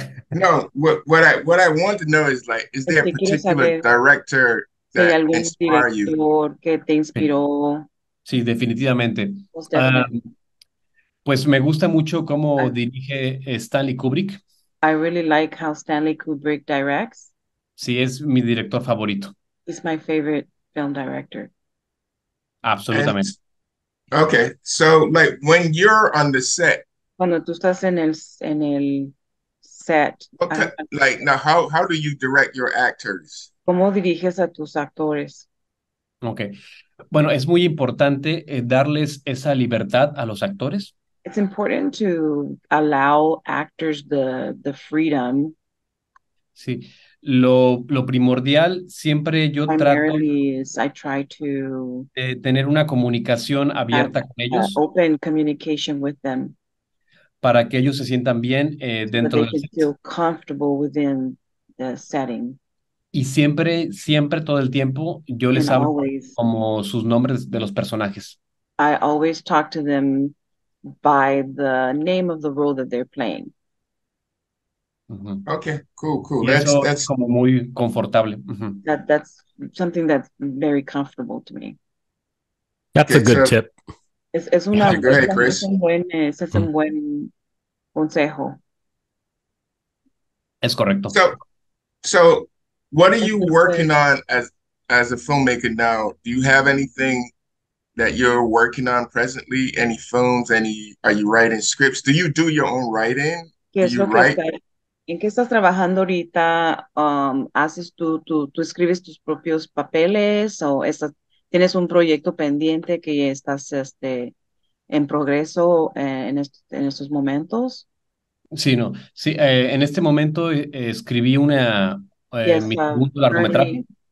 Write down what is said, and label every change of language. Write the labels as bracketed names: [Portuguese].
[English] No, what I want to know is like, is there a particular director that inspired you? [Spanish] Que te inspiró. Sí, definitivamente. Pues me gusta mucho cómo dirige Stanley Kubrick. [English] I really like how Stanley Kubrick directs. [Spanish] Sí, es mi director favorito. [English] He's my favorite film director. [Spanish] Absolutamente. [English] Okay, so like when you're on the set. [Spanish] Cuando tú estás en el [English] set. Okay. Like now, how do you direct your actors? [Spanish] ¿Cómo diriges a tus actores? [English] Okay. [Spanish] Bueno, es muy importante darles esa libertad a los actores. [English] It's important to allow actors the freedom. [Spanish] Sí. Lo primordial siempre yo trato de tener una comunicación abierta con ellos. [English] Open communication with them. [Spanish] Para que ellos se sientan bien dentro del [English] set. Feel comfortable within the setting. [Spanish] Y siempre, siempre, todo el tiempo, yo les hablo como sus nombres de los personajes. [English] I always talk to them by the name of the role that they're playing. Uh-huh. Okay, cool. That's [Spanish] como muy confortable. Uh-huh. [English] That's something that's very comfortable to me. That's okay, a good tip. [Spanish] Es una [English] great, [Spanish] un buen consejo. Es correcto. [English] So what are you working on as a filmmaker now? Do you have anything that you're working on presently? Any films? Are you writing scripts? Do you do your own writing? [Spanish] ¿Qué es lo que ¿En qué estás trabajando ahorita? ¿Haces tú escribes tus propios papeles o estás, tienes un proyecto pendiente que estás en progreso en estos momentos? Sí, no. Sí, en este momento escribí una mi segundo largometraje.